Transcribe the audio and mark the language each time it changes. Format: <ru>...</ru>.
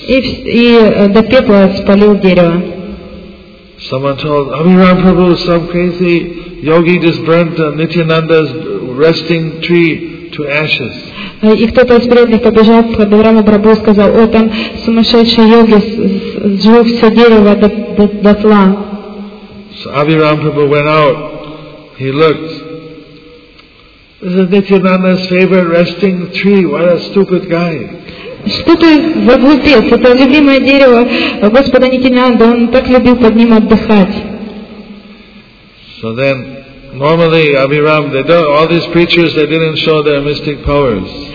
<ru>И до пепла спалил дерево.</ru> <en>Someone told Abhiram Prabhu, some crazy yogi just burnt Nityananda's resting tree to ashes.</en> <ru>И кто-то из преданных побежал к Абхираму Прабху и сказал, о, там сумасшедший йоги сжег все дерево до тла.</ru> <en>So Abhiram Prabhu went out. He looked. This is Nityananda's favorite resting tree. What a stupid guy.</en> <ru>Что ты заглупил? Это любимое дерево Господа Нитянанда. Он так любил под ним отдыхать.</ru> <en>So then, normally, Abhiram, they don't, all these preachers, they didn't show their mystic powers.</en>